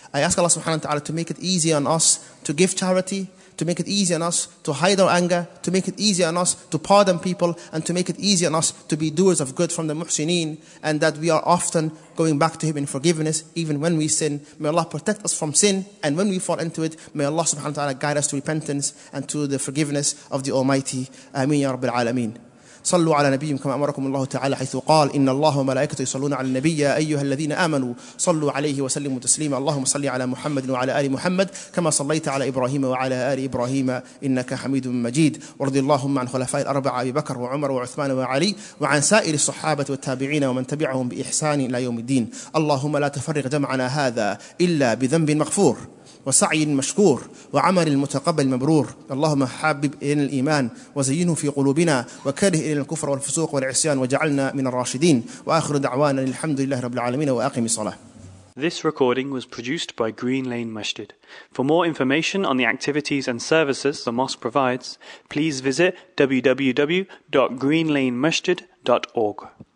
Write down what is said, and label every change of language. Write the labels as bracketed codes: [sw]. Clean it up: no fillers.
[en] I ask Allah subhanahu wa ta'ala to make it easy on us to give charity, to make it easy on us to hide our anger, to make it easy on us to pardon people, and to make it easy on us to be doers of good from the muhsineen, and that we are often going back to Him in forgiveness, even when we sin. May Allah protect us from sin, and when we fall into it, may Allah subhanahu wa ta'ala guide us to repentance and to the forgiveness of the Almighty. [ar] Ameen ya Rabbil Alameen. صلوا على نبيكم كما أمركم الله تعالى حيث قال إن الله وملائكته يصلون على النبي أيها الذين آمنوا صلوا عليه وسلموا تسليما اللهم صل على محمد وعلى آل محمد كما صليت على إبراهيم وعلى آل إبراهيم إنك حميد مجيد ورضي اللهم عن خلفاء الأربعة أبي بكر وعمر وعثمان وعلي وعن سائر الصحابة والتابعين ومن تبعهم بإحسان إلى يوم الدين اللهم لا تفرق جمعنا هذا إلا بذنب مغفور وسعي مشكور وعمل المتقبل مبرور اللهم حبب إلينا الإيمان وزينه في قلوبنا وكره إلينا الكفر والفسوق والعصيان وجعلنا من الراشدين وآخر دعوانا الحمد لله رب العالمين وأقم الصلاة. [en] This recording was produced by Green Lane Masjid. For more information on the activities and services the mosque provides, please visit www.greenlanemasjid.org.